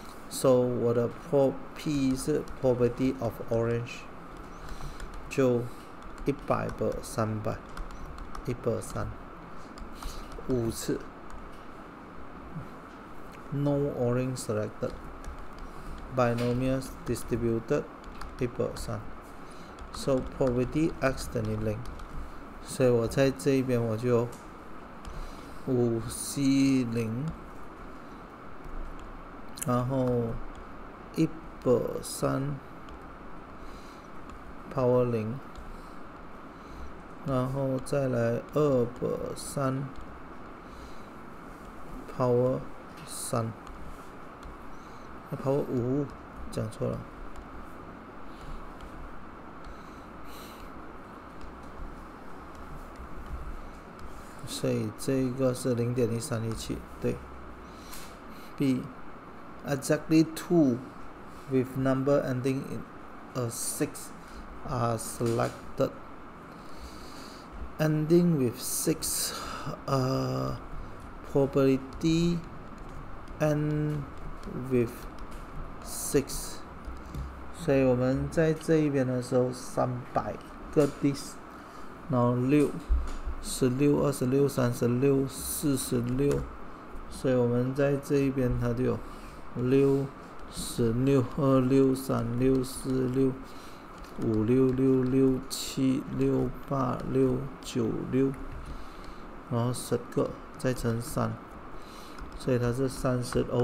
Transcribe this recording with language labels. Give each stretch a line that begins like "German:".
English: So,
Chinese: 我的
English: P 是 probability of orange, 就100 per 300, 1 per 3, 5次 No orange selected. Binomial distributed, 1 per 3. So, probability x
Chinese: 等于零。所以我在这一边我就50，然后1/3 power 零，然后再来2/3 power 三，那 power 五讲错了。所以这个是0.1317，对。
English: B, exactly two with number ending in a 6 are selected. Ending with 6, probability end with 6.
Chinese: 所以我们在这一边的时候，300个 disc， 然后6。 16 26 36 46，所以我们在这一边它就有6 16 26 36 46 56 66 7 6 8 6 9 6，然后10个再乘3，所以它是30/300，